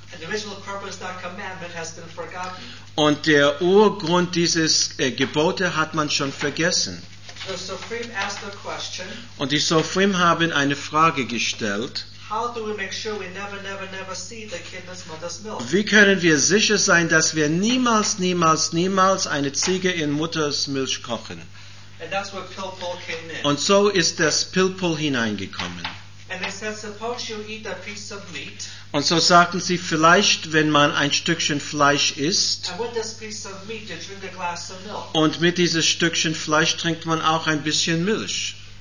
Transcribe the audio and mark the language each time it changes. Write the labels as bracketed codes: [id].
[en] And the original purpose of that commandment has been forgotten. [de] Und der Urgrund dieses Gebote hat man schon vergessen. [en] The Sofrim asked a question. [de] Und die Sofrim haben eine Frage gestellt. [en] How do we make sure we never see the kid in his mother's milk? [de] Wie können wir sicher sein, dass wir niemals eine Ziege in Mutters Milch kochen? [en] And that's where Pilpul came in. [de] Und so ist das Pilpul hineingekommen. [en] And they said, suppose you eat a piece of meat. [de] Und so sagten sie, vielleicht, wenn man ein Stückchen Fleisch isst, [en] and with this piece of meat, you drink a glass of milk. [de] Und mit diesem Stückchen Fleisch trinkt man auch ein bisschen Milch.